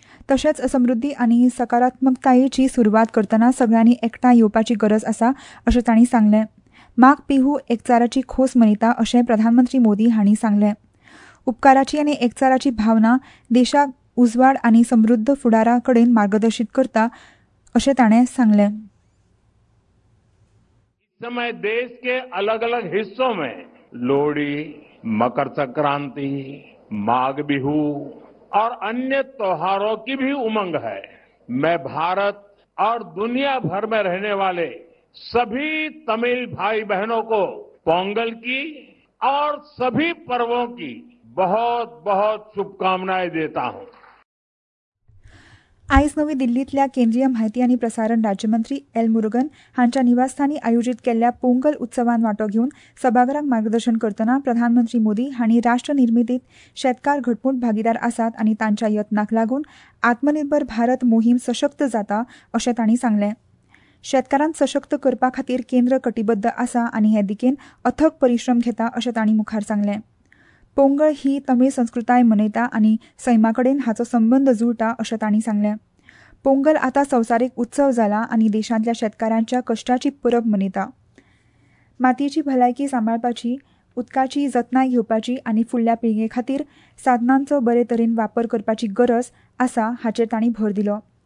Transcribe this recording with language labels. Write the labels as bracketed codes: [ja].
[gom] तशेंच समृद्धी आनी सकारात्मकतायेची सुरवात करतना सगळ्यांनी एकठांय येवपाची गरज आसा अशें तांणी सांगलें. माघ बिहू एकचाराची खोस मनयता अशें प्रधानमंत्री मोदी हांणी सांगलें. उपकाराची आनी एकचाराची भावना देशाक उजवाड आनी समृद्ध फुडारा कडेन मार्गदर्शीत करता अशें ताणें सांगलें. [hi] समय देश के अलग अलग हिस्सों में लोहड़ी, मकर संक्रांति, माघ बिहू और अन्य त्योहारों की भी उमंग है. मैं भारत और दुनिया भर में रहने वाले सभी तमिल भाई बहनों को पोंगल की और सभी पर्वों की बहुत बहुत शुभकामनाएं देता हूं. [gom] आयज नवी दिल्लीतल्या केंद्रीय माहिती आणि प्रसारण राज्यमंत्री एल मुरुगन हांच्या निवासस्थानी आयोजित केल्ल्या पोंगल उत्सवान वांटो घेऊन सभागरांक मार्गदर्शन करतना प्रधानमंत्री मोदी हांणी राष्ट्रनिर्मितीत शेतकार घटमूट भागीदार आसात आणि तांच्या यत्नाक लागून आत्मनिर्भर भारत मोहीम सशक्त जाता असे ताणी सांगले. शेतकारांक सशक्त करपा खातीर केंद्र कटिबद्ध आसा आणि हे दिकेन अथक परिश्रम घेता असे ताणी मुखार सांगले. पोंगळ ही तमिळ संस्कृताय मनयता आणि सैमाकडेन हाचो संबंध जुळटा असं ताणी सांगले. पोंगळ आता संसारिक उत्सव झाला आणि देशातल्या शेतकऱ्यांच्या कष्टाची परब मनयता. मातीची भलायकी सांभाळपाची, उदकाची जतनाय घेवपाची आणि फुडल्या पिळगे खातीर साधनांचो बरे तरेन वापर करपाची गरज आसा हाचेर ताणी भर दिलो.